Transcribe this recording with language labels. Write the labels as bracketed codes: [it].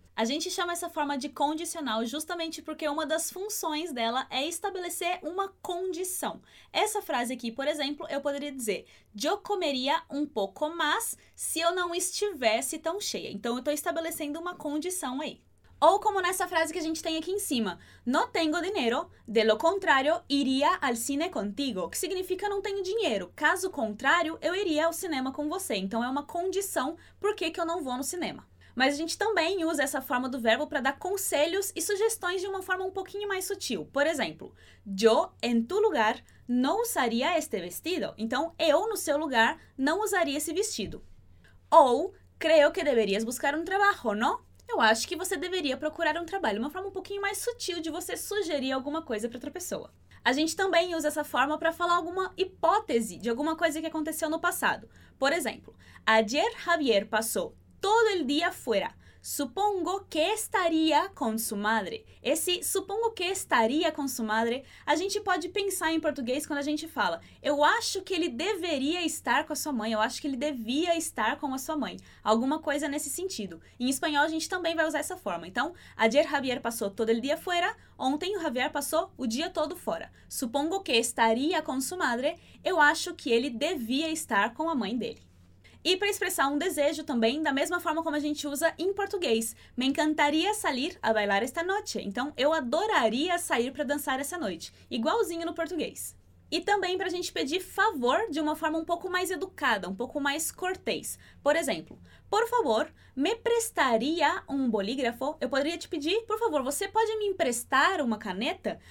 [pt] A gente chama essa forma de condicional justamente porque uma das funções dela é estabelecer uma condição. Essa frase aqui, por exemplo, eu poderia dizer [es] yo comería un poco más [pt] se eu não estivesse tão cheia. Então, eu estou estabelecendo uma condição aí. Ou como nessa frase que a gente tem aqui em cima. [es] No tengo dinero, de lo contrario, iría al cine contigo. [pt] O que significa não tenho dinheiro. Caso contrário, eu iria ao cinema com você. Então, é uma condição por que eu não vou no cinema. Mas a gente também usa essa forma do verbo para dar conselhos e sugestões de uma forma um pouquinho mais sutil. Por exemplo, [es] yo en tu lugar no usaría este vestido. [pt] Então, eu no seu lugar não usaria esse vestido. [es] Ou, creo que deberías buscar un trabajo, ¿no? [pt] Eu acho que você deveria procurar um trabalho. Uma forma um pouquinho mais sutil de você sugerir alguma coisa para outra pessoa. A gente também usa essa forma para falar alguma hipótese de alguma coisa que aconteceu no passado. Por exemplo, [es] ayer Javier passou todo el día fuera. Supongo que estaría con su madre. [pt] Esse [es] supongo que estaría con su madre, [pt] a gente pode pensar em português quando a gente fala eu acho que ele deveria estar com a sua mãe, eu acho que ele devia estar com a sua mãe. Alguma coisa nesse sentido. Em espanhol, a gente também vai usar essa forma. Então, [es] ayer Javier pasó todo el día fuera. [pt] Ontem, o Javier passou o dia todo fora. [es] Supongo que estaría con su madre. [pt] Eu acho que ele devia estar com a mãe dele. E para expressar um desejo também, da mesma forma como a gente usa em português. [es] Me encantaría salir a bailar esta noche. [pt] Então, eu adoraria sair para dançar essa noite. Igualzinho no português. E também para a gente pedir favor de uma forma um pouco mais educada, um pouco mais cortês. Por exemplo, [es] por favor, me prestaria um bolígrafo? [pt] Eu poderia te pedir, por favor, você pode me emprestar uma caneta?